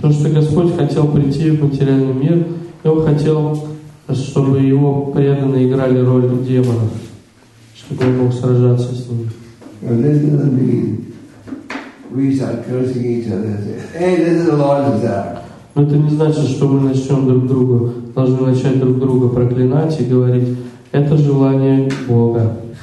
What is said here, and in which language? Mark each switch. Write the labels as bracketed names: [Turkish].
[Russian] То, что Господь хотел прийти в материальный мир, Он хотел, чтобы Его преданные играли роль демона, чтобы он мог сражаться с ними. [English] And this doesn't mean we start cursing each other and say, "Hey, this is the Lord's desire." [Russian] Но это не значит, что мы начнем друг другу, должны начать друг друга проклинать и говорить: "Это желание Бога."